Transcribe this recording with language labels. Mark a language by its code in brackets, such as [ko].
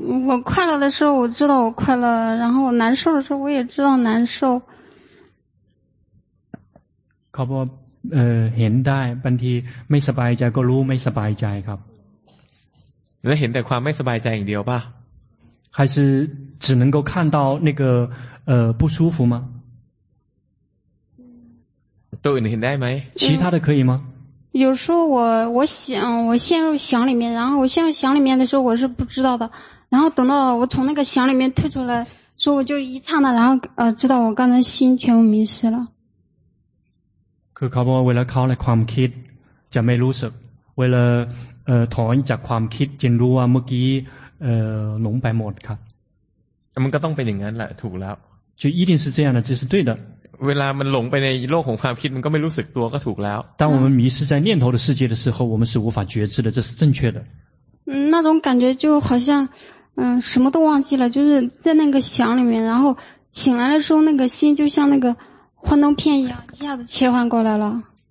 [zh] 我快乐的时候我知道我快乐然后难受的时候我也知道难受 [th] ครับว่าเห็นได้บางทีไม่สบายใจก็รู้ไม่สบายใจครับ แล้วเห็นแต่ความไม่สบายใจอย่างเดียวป่ะ [zh] 还是只能够看到那个不舒服吗？都有人带吗？其他的可以吗？有时候我想我陷入想里面，然后我陷入想里面的时候我是不知道的，然后等到我从那个想里面退出来，所以我就一刹那，然后知道我刚才心全部迷失了。 [th] คือเขาบอกเวลาเขาในความคิดจะไม่รู้สึกเวลาถอนจากความคิดจึงรู้ว่าเมื่อกี้หลงไปหมดครับ มันก็ต้องเป็นอย่างนั้นแหละถูกแล้ว [zh] 就一定是这样的这是对的 [th] เวลามันหลงไปในโลกของความคิดมันก็ไม่รู้สึกตัวก็ถูกแล้ว [zh] 当我们迷失在念头的世界的时候我们是无法觉知的这是正确的那种感觉就好像什么都忘记了就是在那个想里面然后醒来的时候那个心就像那个幻灯片一样一下子切换过来了